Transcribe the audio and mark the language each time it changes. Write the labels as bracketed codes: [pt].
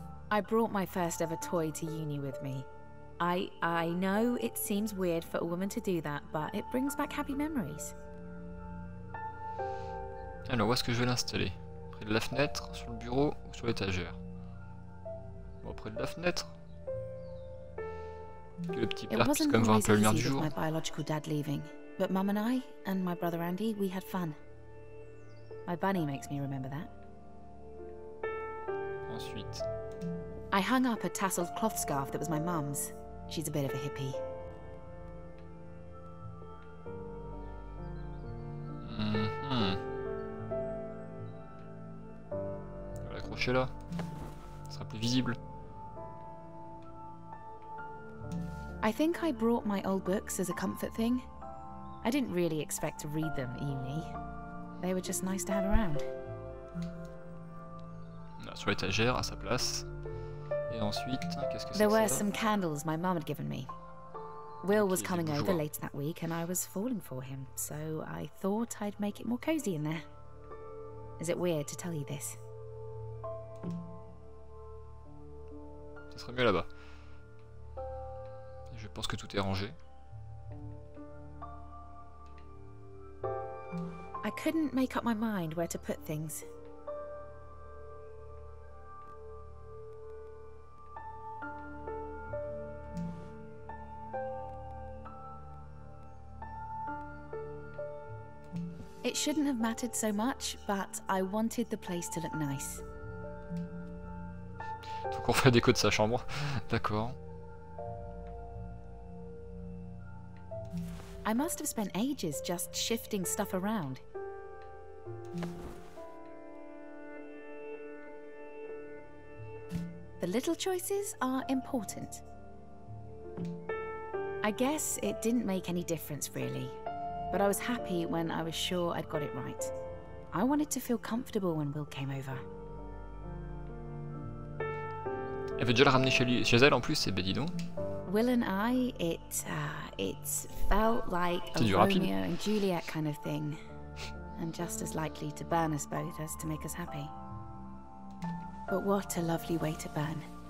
[en] I brought my first ever toy to uni with me. I know it seems weird for a woman to do that, but it brings back happy memories. [fr] Alors, où est-ce que je vais l'installer? Près de la fenêtre, sur le bureau ou sur l'étagère? Bon, près de la fenêtre. Que le petit père puisse quand même voir un peu la lumière du jour. [en] My biological dad leaving, but Mum and I and my brother Andy, we had fun. My bunny makes me remember that. [fr] Ensuite. [en] I hung up a tasseled cloth scarf that was my mum's. She's a bit of a hippie. [fr] Mm-hmm. On va l'accrocher là. Ça sera plus visible. [en] I think I brought my old books as a comfort thing. I didn't really expect to read them, uni. They were just nice to have around. [fr] Là, sur l'étagère, à sa place. Et ensuite, qu'est-ce que [en] there were some candles my mum had given me. Will okay, was coming over later that week and I was falling for him, so I thought I'd make it more cozy in there. Is it weird to tell you this? [fr] Ça serait mieux là-bas. Je pense que tout est rangé. [en] I couldn't make up my mind where to put things. It shouldn't have mattered so much, but I wanted the place to look nice. [fr] Donc on fait la déco de sa chambre, d'accord. [en] I must have spent ages just shifting stuff around. The little choices are important. I guess it didn't make any difference really. But I was happy when I was sure I'd got it right. I wanted to feel comfortable when Will came over. [fr] Elle veut déjà la ramener chez elle en plus, c'est bien, dis donc. [en] Will and I, it felt like a Romeo and Juliet kind of thing. And just as likely to burn us both as to make us happy. But what a lovely way to burn.